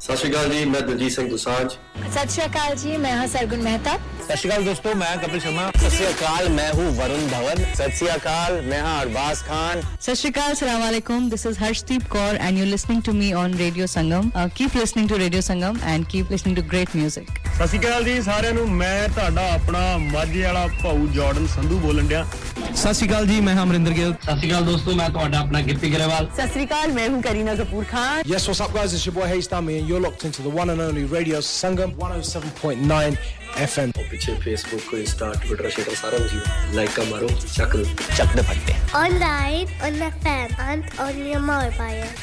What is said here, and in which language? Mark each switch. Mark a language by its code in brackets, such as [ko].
[pa] ਸਤਿ ਸ਼੍ਰੀ ਅਕਾਲ ਜੀ, ਮੈਂ ਦਿਲਜੀਤ ਸਿੰਘ ਦੁਸਾਂਝ। ਸਤਿ ਸ਼੍ਰੀ ਅਕਾਲ ਜੀ, ਮੈਂ ਹਾਂ ਸਰਗੁਣ ਮਹਿਤਾ। ਸਤਿ ਸ਼੍ਰੀ ਅਕਾਲ ਦੋਸਤੋ, ਮੈਂ ਕਪਿਲ ਸ਼ਰਮਾ। [hi] ਸਤਿ ਸ਼੍ਰੀ ਅਕਾਲ, ਮੈਂ ਹੂੰ ਵਰੁਣ ਧਵਨ। [pa] ਸਤਿ ਸ਼੍ਰੀ ਅਕਾਲ, ਮੈਂ ਹਾਂ ਅਰਬਾਜ਼ ਖਾਨ। ਸਤਿ ਸ਼੍ਰੀ ਅਕਾਲ, ਅਸਲਾਮ ਅਲੈਕੁਮ, [en] this is Harshdeep Kaur and you're listening to me on Radio Sangam. Keep listening to Radio Sangam and keep listening to great music. [pa] ਸਤਿ ਸ਼੍ਰੀ ਅਕਾਲ ਜੀ ਸਾਰਿਆਂ ਨੂੰ, ਮੈਂ ਤੁਹਾਡਾ ਆਪਣਾ ਮਾਝੇ ਵਾਲਾ ਭਾਉ ਜਾਰਡਨ ਸੰਧੂ ਬੋਲਣ ਡਿਆ। ਸਤਿ ਸ਼੍ਰੀ ਅਕਾਲ ਜੀ, ਮੈਂ ਹਾਂ ਅਮਰਿੰਦਰ ਗਿੱਲ। ਸਤਿ ਸ਼੍ਰੀ ਅਕਾਲ ਦੋਸਤੋ, ਮੈਂ ਤੁਹਾਡਾ ਆਪਣਾ ਗਿੱਪੀ ਗਰੇਵਾਲ। [hi] ਸਤਿ ਸ਼੍ਰੀ ਅਕਾਲ, ਮੈਂ ਹੂੰ Kareena Kapoor Khan. [en] Yes, what's up guys, it's your boy Haystami and you're locked into the one and only Radio Sangam 107.9 FM. [pa] ਉਹ ਪਿੱਛੇ ਫੇਸਬੁੱਕ ਕੋ ਇੰਸਟਾ ਟਵਿੱਟਰ ਸ਼ੇਅਰ ਸਾਰਾ ਕੁਝ ਲਾਈਕਾਂ ਮਾਰੋ, ਚੱਕ ਦੇ ਫੱਟੇ। [en] Online on the FM and on your mobile.